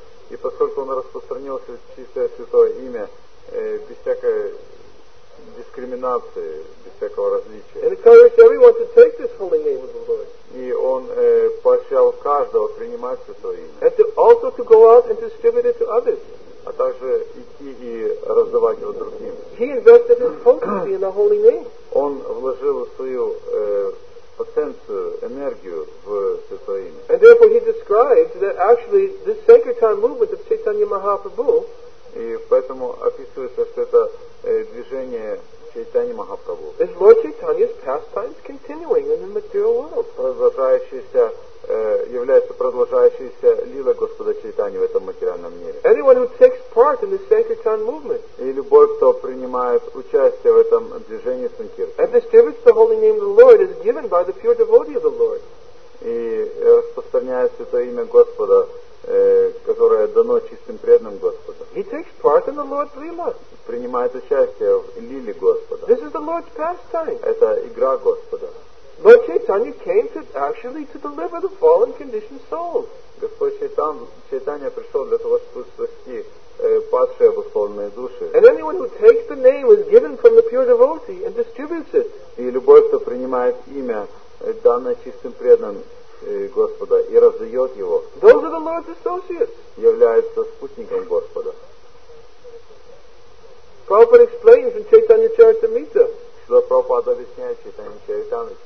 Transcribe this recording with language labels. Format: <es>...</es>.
<ru>И поскольку он распространил чистое святое имя без всякой номинации, без всякого различия.</ru> <en>And encouraged everyone to take this holy name of the Lord.</en> <ru>И он поощрял каждого принимать Святое Имя.</ru> <en>And to also to go out and distribute it to others.</en> <ru>А также идти и раздавать его другим.</ru> <en>He invested his potency in the holy name.</en> <ru>Он вложил свою потенцию, энергию в Святое Имя.</ru> <en>And therefore he describes that actually this Sankirtan movement of Chaitanya Mahaprabhu.</en> <ru>И поэтому описывается, что это движение Чайтани Махапрабху.</ru> <en>It's Lord Chaitanya's pastimes continuing in the material world.</en> <ru>Продолжающийся, является продолжающейся лила Господа Чайтани в этом материальном мире.</ru> <en>Anyone who takes part in the Sankirtan movement.</en> <ru>И любой, кто принимает участие в этом движении Санкирты.</ru> <en>And distributes the holy name of the Lord is given by the pure devotee of the Lord.</en> <ru>И распространяет Святое Имя Господа, которое дано чистым преданным Господа.</ru> <en>He takes part in the Lord's Lila.</en> <ru>Принимает участие в лиле Господа.</ru> <en>This is the Lord's pastime.</en> <ru>Это игра Господа.</ru> <en>Lord Chaitanya came to actually to deliver the fallen conditioned souls.</en> <ru>Господь Чайтанья пришел для того, чтобы спасти падшие обусловленные души.</ru> <en>And anyone who takes the name is given from the pure devotee and distributes it.</en> <ru>И любой, кто принимает имя, данное чистым преданным Господа и раздает его.</ru> <en>Those are the Lord's associates.</en> <ru>Являются спутником Господа.</ru> <en>Prabhupada explains in Chaitanya Charitamrita.</en> <ru>Шрила Прабхупада объясняет Чайтанья Чаритамрита.</ru>